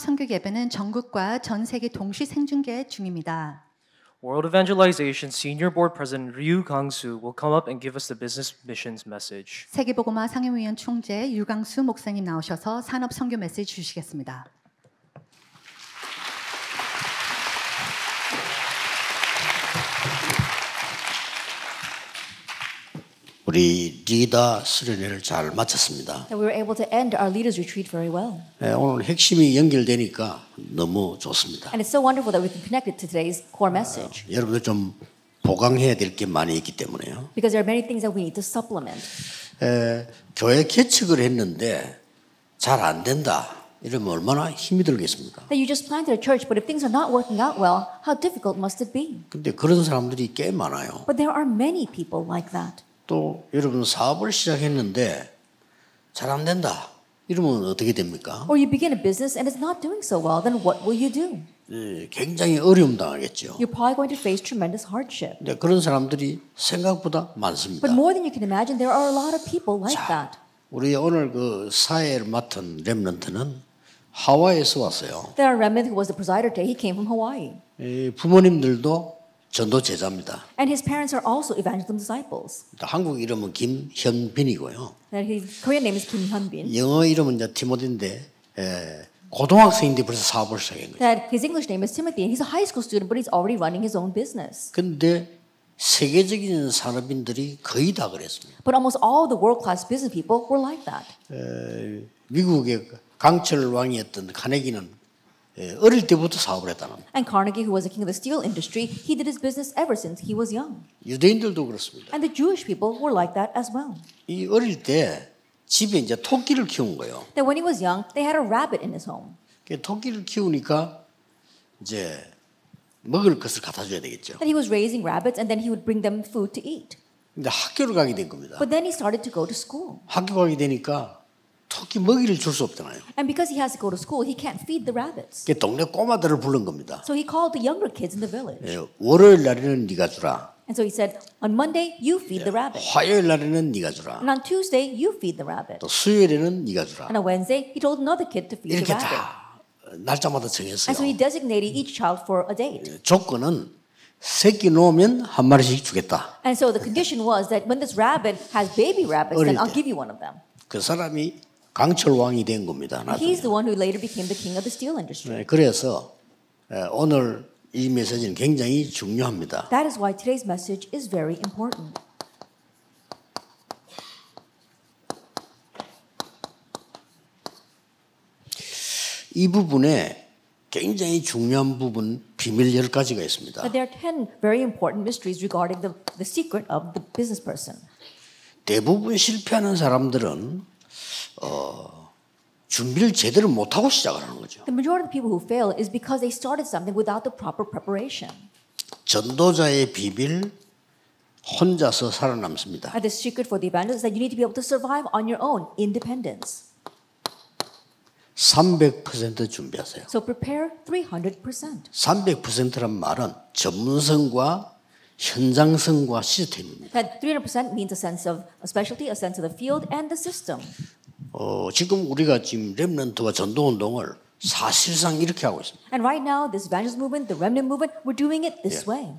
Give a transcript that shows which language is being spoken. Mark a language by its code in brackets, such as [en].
[ko] 선교 예배는 전국과 전 세계 동시 생중계 중입니다. [en] World Evangelization Senior Board President Ryu Kang-soo will come up and give us the business missions message. [ko] 세계복음화 상임위원 총재 유강수 목사님 나오셔서 산업 선교 메시지 주시겠습니다. [en] And we were able to end our leaders' retreat very well. [ko] 네, 오늘 핵심이 연결되니까 너무 좋습니다. [en] And it's so wonderful that we've connected to today's core message. [ko] 여러분들 좀 보강해야 될 게 많이 있기 때문에요. [en] Because there are many things that we need to supplement. [ko] 에, 교회 개척을 했는데 잘 안 된다. 이러면 얼마나 힘이 들겠습니까? [en] That you just planted a church, but if things are not working out well, how difficult must it be? [ko] 근데 그런 사람들이 꽤 많아요. [en] But there are many people like that. [ko] 또 여러분 사업을 시작했는데 잘 안 된다. 이러면 어떻게 됩니까? [en] Or you begin a business and it's not doing so well, then what will you do? [ko] 네, 굉장히 어려움 당하겠죠. [en] You're probably going to face tremendous hardship. [ko] 네, 그런 사람들이 생각보다 많습니다. [en] But more than you can imagine, there are a lot of people like 자, that. [ko] 우리 오늘 그 사회를 맡은 렘넌트는 하와이에서 왔어요. [en] There are remnant who was the presider today. He came from Hawaii. [ko] 네, 부모님들도 전도 제자입니다. [en] And his parents are also evangelism disciples. [ko] 한국 이름은 김현빈이고요. [en] And his Korean name is Kim Hyun-bin. [ko] 영어 이름은 이제 티모데인데 고등학생인데 벌써 사업을 시작한 거죠. [en] That his English name is Timothy and he's a high school student but he's already running his own business. [ko] 근데 세계적인 산업인들이 거의 다 그랬습니다. [en] But almost all the world class business people were like that. [ko] 미국의 강철 왕이었던 카네기는 어릴 때부터 사업을 했다는. [en] And Carnegie, who was the king of the steel industry, he did his business ever since he was young. [ko] 유대인들도 그렇습니다. [en] And the Jewish people were like that as well. [ko] 이 어릴 때 집에 이제 토끼를 키운 거예요. [en] That when he was young, they had a rabbit in his home. [ko] 그 토끼를 키우니까 이제 먹을 것을 갖다줘야 되겠죠. [en] And he was raising rabbits, and then he would bring them food to eat. [ko] 이제 학교를 가게 된 겁니다. [en] But then he started to go to school. [ko] 학교 가게 되니까. 토끼 먹이를 줄 수 없잖아요. [en] And because he has to go to school, he can't feed the rabbits. [ko] 그 동네 꼬마들을 부른 겁니다. [en] So he called the younger kids in the village. [ko] 예, 월요일 날에는 네가 주라. [en] And so he said, on Monday, you feed 예, the rabbits. [ko] 화요일 날에는 네가 주라. [en] And on Tuesday, you feed the rabbits. [ko] 또 수요일에는 네가 주라. [en] And on Wednesday, he told another kid to feed the rabbits. [ko] 이렇게 다 날짜마다 정했어요. [en] And so he designated each child for a date. [ko] 조건은 새끼 놓으면 한 마리씩 주겠다. [en] And so the condition was that when this rabbit has baby rabbits, then I'll give you one of them. [ko] 그 사람이 강철 왕이 된 겁니다. 나중에. [en] He's the one who later became the king of the steel industry. 네, [ko] 그래서 오늘 이 메시지는 굉장히 중요합니다. [en] That is why today's message is very important. [ko] 이 부분에 굉장히 중요한 부분 비밀 열 가지가 있습니다. [en] But there are 10 very important mysteries regarding the secret of the business person. [ko] 대부분 실패하는 사람들은 준비를 제대로 못 하고 시작을 하는 거죠. [en] The majority of people who fail is because they started something without the proper preparation. [ko] 전도자의 비밀 혼자서 살아남습니다. [en] And the secret for the evangelist is that you need to be able to survive on your own independence. [ko] 300% 준비하세요. [en] So prepare 300%. [ko] 300%란 말은 전문성과 현장성과 시스템입니다. [en] That 300% means a sense of a specialty, a sense of the field and the system. [ko] 지금 우리가 지금 렘넌트와 전도 운동을 사실상 이렇게 하고 있습니다. [en] And right now this evangelist movement, the remnant movement, we're doing it this way.